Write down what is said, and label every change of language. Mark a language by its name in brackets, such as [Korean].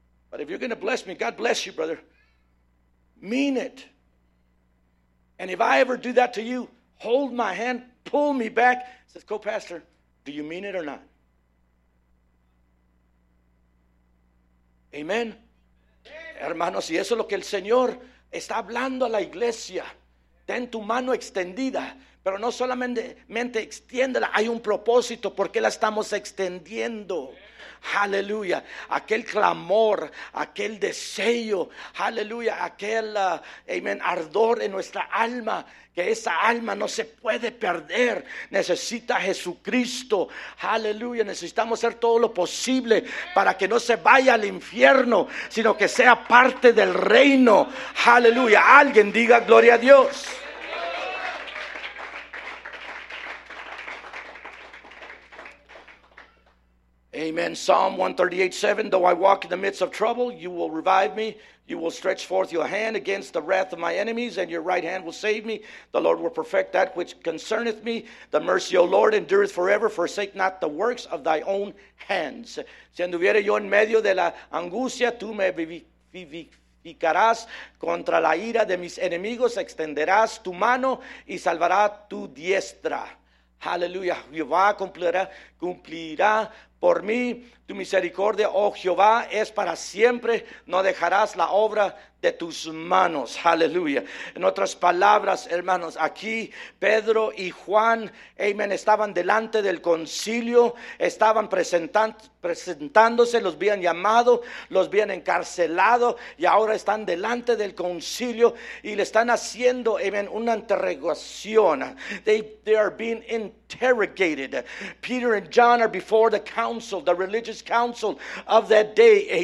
[English] But if you're going to bless me, God bless you, brother. Mean it. And if I ever do that to you, hold my hand, pull me back. Says, co-pastor, do you mean it or not? Amen. [Spanish] Hermanos, si eso es lo que el Señor está hablando a la iglesia, ten tu mano extendida, Pero no solamente extiéndela, hay un propósito porque la estamos extendiendo. Aleluya, aquel clamor, aquel deseo, aleluya, aquel amen, ardor en nuestra alma, que esa alma no se puede perder, necesita a Jesucristo, aleluya, necesitamos hacer todo lo posible para que no se vaya al infierno, sino que sea parte del reino, aleluya, alguien diga gloria a Dios. [English] Amen. Psalm 138:7. Though I walk in the midst of trouble, you will revive me. You will stretch forth your hand against the wrath of my enemies, and your right hand will save me. The Lord will perfect that which concerneth me. The mercy, O Lord, endureth forever. Forsake not the works of thy own hands. [Spanish] Si anduviere yo en medio de la angustia, tú me vivificarás contra la ira de mis enemigos. Extenderás tu mano y salvará tu diestra. Hallelujah. Jehová cumplirá por mí, tu misericordia, oh Jehová, es para siempre. No dejarás la obra de tus manos. Aleluya. En otras palabras, hermanos, aquí Pedro y Juan, amen, estaban delante del concilio. Estaban presentándose, los habían llamado, los habían encarcelado. Y ahora están delante del concilio y le están haciendo, amen, una interrogación. [English] They are being interrogated. Peter and John are before the council, the religious council of that day.